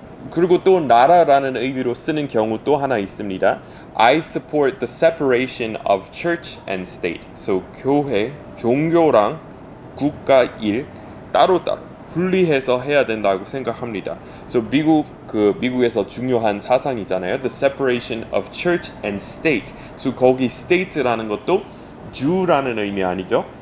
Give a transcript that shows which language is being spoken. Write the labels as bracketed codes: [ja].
[ko] 그리고 또 나라라는 의미로 쓰는 경우 또 하나 있습니다. [en] I support the separation of church and state. [ko] So 교회, 종교랑 국가 일 따로따로 분리해서 해야 된다고 생각합니다. So 미국에서 중요한 사상이잖아요. [en] The separation of church and state. So [ko] 거기 state라는 것도 주라는 의미 아니죠?